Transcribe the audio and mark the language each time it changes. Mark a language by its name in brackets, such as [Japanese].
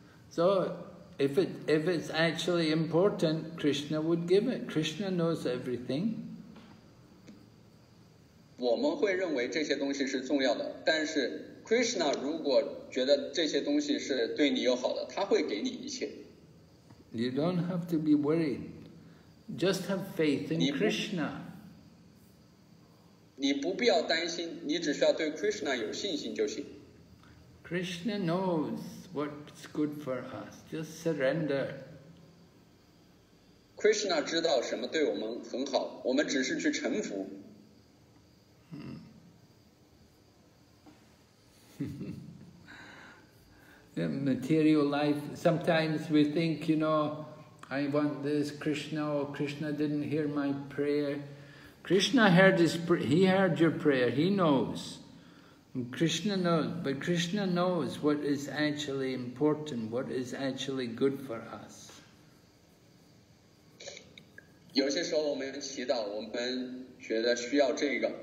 [English] So if it's actually important, Krishna would give it. Krishna knows everything. [Chinese] 我们会认为这些东西是重要的，但是 Krishna 如果觉得这些东西是对你有好的，他会给你一切。 [English] You don't have to be worried. Just have faith in Krishna. [Chinese] 你不必要担心，你只需要对 Krishna 有信心就行。 [English] Krishna knows what's good for us. Just surrender. [Chinese] Krishna 知道什么对我们很好，我们只是去臣服。 [English] Material life. Sometimes we think, you know, I want this. Krishna, or Krishna didn't hear my prayer. Krishna heard he heard your prayer, he knows. Krishna knows, but Krishna knows what is actually important, what is actually good for us. [Chinese] 有些时候我们祈祷，我们觉得需要这个。